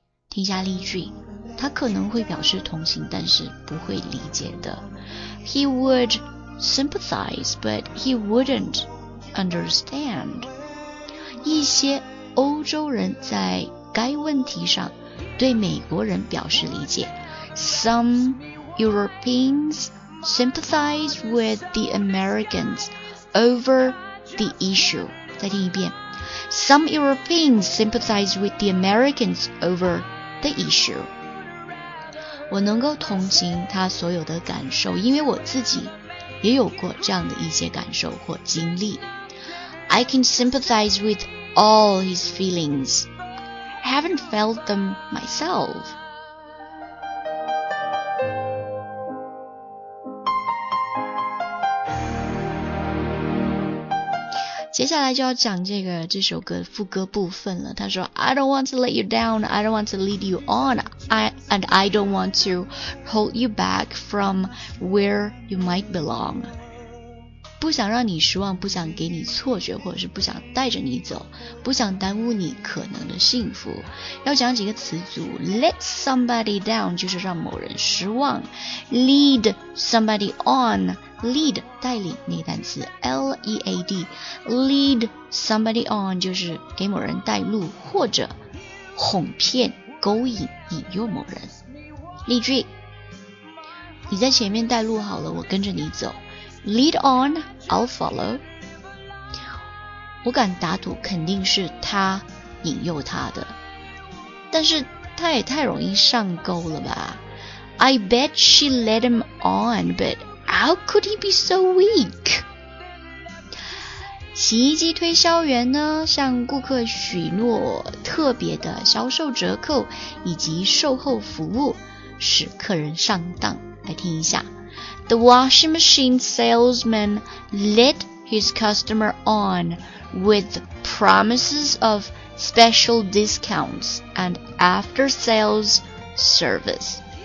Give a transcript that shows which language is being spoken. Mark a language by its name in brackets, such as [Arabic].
[Chinese] 听下例句，它可能会表示同情，但是不会理解的。 [English] He would sympathize, but he wouldn't understand. [Chinese] 一些欧洲人在该问题上对美国人表示理解。 [English] Some Europeans sympathize with the Americans over the issue. [Chinese] 再听一遍。 [English] Some Europeans sympathize with the Americans over the issue. [Chinese] 我能够同情他所有的感受，因为我自己也有过这样的一些感受或经历。 [English] I can sympathize with all his feelings. Haven't felt them myself. [Chinese] 接下来就要讲这首歌副歌部分了。他说 [English] I don't want to let you down, I don't want to lead you on,And I don't want to hold you back from where you might belong. [Chinese] 不想让你失望，不想给你错觉，或者是不想带着你走，不想耽误你可能的幸福。要讲几个词组， [English] let somebody down [Chinese] 就是让某人失望， [English] lead somebody on, [Chinese] lead 带领那个单词 L-E-A-D, lead somebody on 就是给某人带路或者哄骗勾引引诱某人。例句，你在前面带路好了，我跟着你走。 [English] Lead on, I'll follow. [Chinese] 我敢打赌肯定是他引诱他的，但是他也太容易上钩了吧。 [English] I bet she led him on, but how could he be so weak? [Chinese] 洗衣机推销员呢，向顾客许诺特别的销售折扣以及售后服务，使客人上当。来听一下 [English] The washing machine salesman led his customer on with promises of special discounts and after sales service.